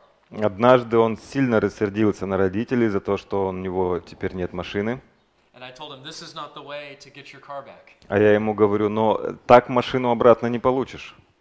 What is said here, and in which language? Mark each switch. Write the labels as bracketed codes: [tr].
[ru] Однажды он сильно рассердился на родителей за то, что у него теперь нет машины. [en] And I told him, this is not the way to get your car back. [ru] А я ему говорю, но так машину обратно не получишь.